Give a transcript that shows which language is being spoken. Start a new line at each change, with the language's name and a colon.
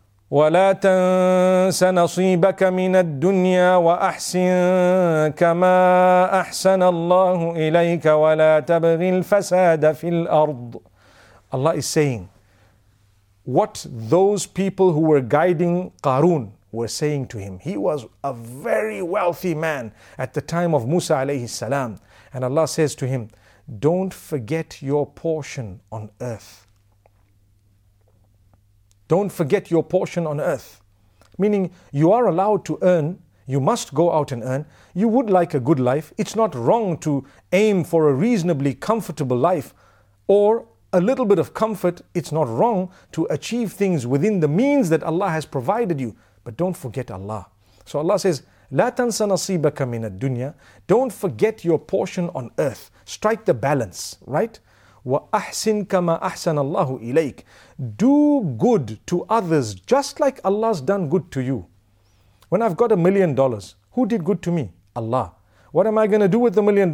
Arabic: ولا تنس نصيبك من الدنيا وأحسن كما أحسن الله إليك ولا تبغ الفساد في الأرض.
English: Allah is saying, what those people who were guiding Qarun were saying to him. He was a very wealthy man at the time of Musa alayhi salam. And Allah says to him, don't forget your portion on earth. Don't forget your portion on earth. Meaning, you are allowed to earn. You must go out and earn. You would like a good life. It's not wrong to aim for a reasonably comfortable life or a little bit of comfort. It's not wrong to achieve things within the means that Allah has provided you. But don't forget Allah. So Allah says,
Arabic: لَا تَنْسَ نَصِيبَكَ مِنَ الدُّنْيَا.
English: Don't forget your portion on earth. Strike the balance, right?
Arabic: وَأَحْسِنْ كَمَا أَحْسَنَ اللَّهُ إِلَيْكَ.
English: Do good to others just like Allah's done good to you. When I've got $1 million, who did good to me? Allah. What am I going to do with $1 million?